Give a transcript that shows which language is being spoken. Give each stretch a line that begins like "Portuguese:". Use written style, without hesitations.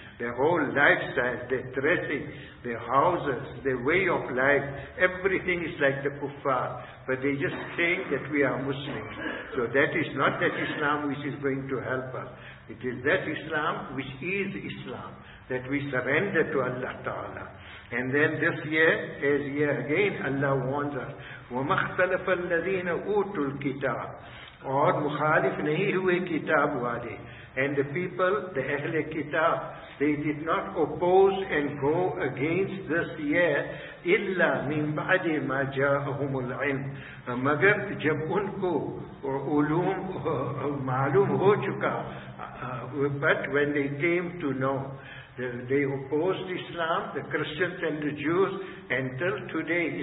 English: Their whole lifestyle, their dressing, their houses, their way of life, everything is like the kuffar. But they just say that we are Muslims. So that is not that Islam which is going to help us. It is that Islam which is Islam, that we surrender to Allah Ta'ala. And then this year, as year again, Allah warns us,
Arabic: وَمَا اخْتَلَفَ الَّذِينَ أُوتُوا الْكِتَابِ
Urdu: اور مخالف نہیں ہوئے کتاب والے.
English: And the people, the Ahl al-Kitab, they did not oppose and go against this year,
Arabic: illa min ba'di ma ja'ahum al-'ilm.
Urdu: Magar jab unko ulum maloom ho chuka,
English: but when they came to know, they opposed Islam, the Christians and the Jews, until today.